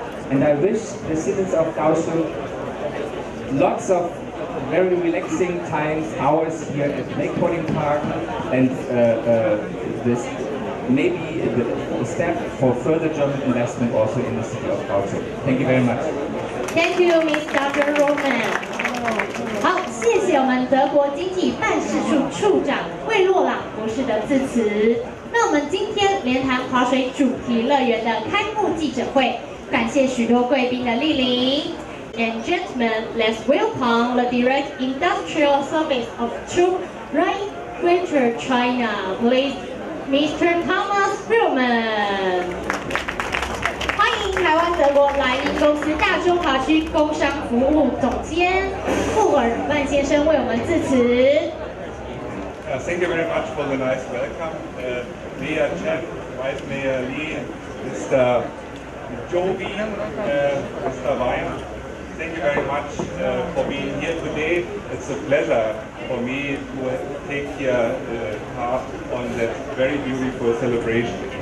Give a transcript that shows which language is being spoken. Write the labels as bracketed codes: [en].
[en] And I wish the citizens of Kaohsiung lots of very relaxing times, hours here at Lakeboarding Park, and this maybe a step for further German investment also in the city of Kaohsiung. Thank you very much. Thank you, Mr. Roman. [zh] 好，谢谢我们德国经济办事处处长魏洛朗博士的致辞。那我们今天莲潭滑水主题乐园的开幕记者会，感谢许多贵宾的莅临。 [en] And gentlemen, let's welcome the Direct Industrial Service of Two Rhine Greater China. Please Mr. Thomas Freeman。 [zh] 欢迎台湾德国莱茵公司大中华区工商服务总监傅尔曼先生为我们致辞。 [en] Thank you very much for the nice welcome. Mayor Chen, Vice Mayor Lee, Mr. Jovi, Mr. Wein, thank you very much for being here today. It's a pleasure for me to take here part on that very beautiful celebration.